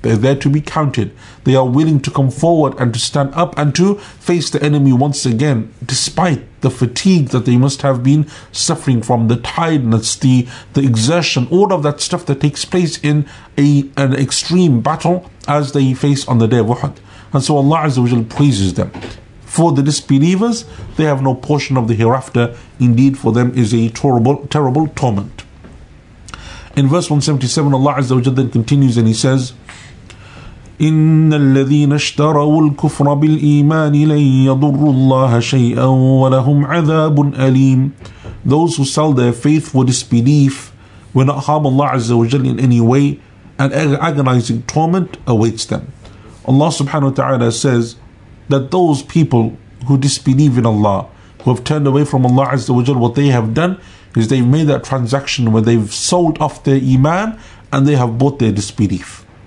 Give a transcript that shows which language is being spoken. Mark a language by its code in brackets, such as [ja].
[en] They're there to be counted. They are willing to come forward and to stand up and to face the enemy once again, despite the fatigue that they must have been suffering from, the tiredness, the exertion, all of that stuff that takes place in an extreme battle as they face on the day of Uhud. And so Allah Azza wa Jal praises them. For the disbelievers, they have no portion of the hereafter. Indeed, for them is a terrible torment. In verse 177, Allah Azza wa Jalla then continues and he says, [ar] إِنَّ الَّذِينَ اشْتَرَوُوا الْكُفْرَ بِالْإِيمَانِ لَنْ يَضُرُّ اللَّهَ شَيْئًا وَلَهُمْ عَذَابٌ أَلِيمٌ. [en] Those who sell their faith for disbelief will not harm Allah Azza wa Jalla in any way, and agonizing torment awaits them. Allah subhanahu wa ta'ala says that those people who disbelieve in Allah, who have turned away from Allah Azza wa Jalla, what they have done is they've made that transaction where they've sold off their iman and they have bought their disbelief.